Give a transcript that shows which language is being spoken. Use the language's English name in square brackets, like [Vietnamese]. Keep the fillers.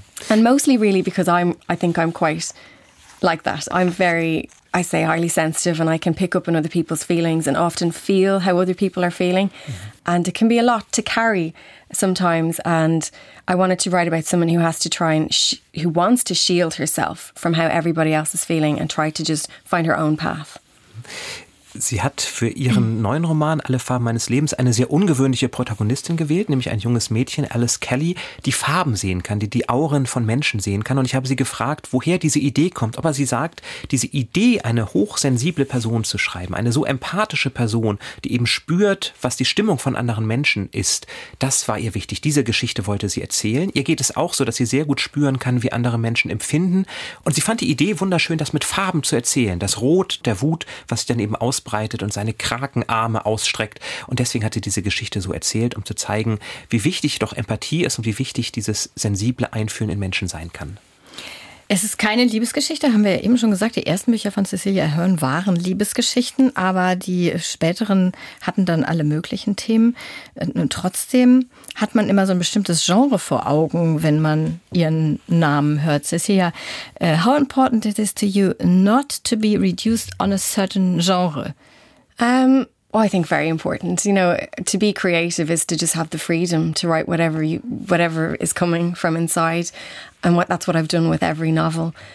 [English] and mostly really because i'm i think i'm quite like that i'm very i say highly sensitive and i can pick up on other people's feelings and often feel how other people are feeling and it can be a lot to carry sometimes and i wanted to write about someone who has to try and sh- who wants to shield herself from how everybody else is feeling and try to just find her own path [German] Sie hat für ihren neuen Roman Alle Farben meines Lebens eine sehr ungewöhnliche Protagonistin gewählt, nämlich ein junges Mädchen, Alice Kelly, die Farben sehen kann, die die Auren von Menschen sehen kann. Und ich habe sie gefragt, woher diese Idee kommt. Aber sie sagt, diese Idee, eine hochsensible Person zu schreiben, eine so empathische Person, die eben spürt, was die Stimmung von anderen Menschen ist, das war ihr wichtig. Diese Geschichte wollte sie erzählen. Ihr geht es auch so, dass sie sehr gut spüren kann, wie andere Menschen empfinden. Und sie fand die Idee wunderschön, das mit Farben zu erzählen. Das Rot der Wut, was sich dann eben ausbreitet und seine Krakenarme ausstreckt. Und deswegen hat sie diese Geschichte so erzählt, um zu zeigen, wie wichtig doch Empathie ist und wie wichtig dieses sensible Einfühlen in Menschen sein kann. Es ist keine Liebesgeschichte, haben wir ja eben schon gesagt. Die ersten Bücher von Cecilia Hearn waren Liebesgeschichten, aber die späteren hatten dann alle möglichen Themen. Und trotzdem hat man immer so ein bestimmtes Genre vor Augen, wenn man ihren Namen hört. [English] Cecilia, uh, how important it is to you not to be reduced on a certain genre? Um, well, I think very important. You know, to be creative is to just have the freedom to write whatever you, whatever is coming from inside, and what that's what I've done with every novel.